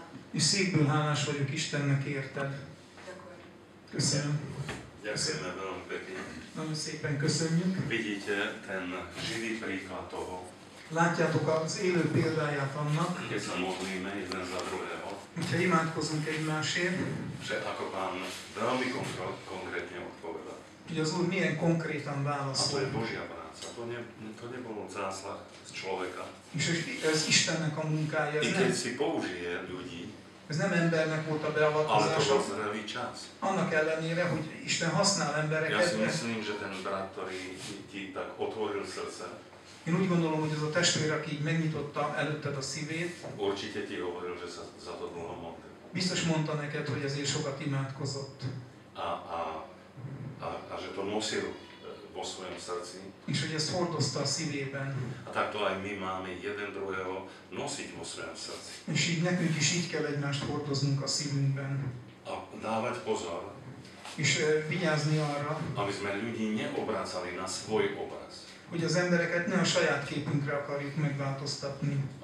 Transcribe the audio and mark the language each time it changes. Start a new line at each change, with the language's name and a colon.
Hungarian: És szívből hálás vagyok Istennek érted. Köszönöm. Köszönöm, nagyon pekin. Nagyon szépen köszönjük.
Slovak: Vidíte ten živý príklad toho.
Hungarian: Látjátok az élő példáját annak.
Slovak: Ez a modlíme jeden za druhého.
Hungarian: Hogyha imádkozunk egymásért.
Slovak: Že ako pán veľmi konkrétne odpovedal.
Hungarian: Hogy az Úr milyen konkrétan válaszol.
Slovak: A to je Božia práca. To nebolo zásah z človeka.
Hungarian: És ez Istennek a munkája.
Slovak: I keď si použije ľudí.
Hungarian: Ez nem embernek volt a beavatkozás.
Slovak: Ale to bol čas.
Hungarian: Annak ellenére, hogy Isten használ embereket.
Slovak: Ja si myslím, že ten brat, ktorý ti tak otvoril srdce.
Hungarian: Én úgy gondolom, hogy ez a testvér, aki így megnyitotta előtted a szívét.
Slovak: Určite ti hovoril, že za to dlho modlil.
Hungarian: Biztos mondta neked, hogy ezért sokat imádkozott.
Slovak: A že to nosil vo svojom srdci.
Hungarian: És hogy ezt hordozta a szívében.
Slovak: A tak to aj my máme jeden druhého nosiť vo svojom srdci.
Hungarian: És így nekünk is így kell egymást hordoznunk a szívünkben.
Slovak: A dávať pozor.
Hungarian: És vigyázni arra.
Slovak: Aby sme ľudí neobrácali na svoj obraz.
Hungarian: Hogy az embereket ne a saját képünkre akarjuk megváltoztatni.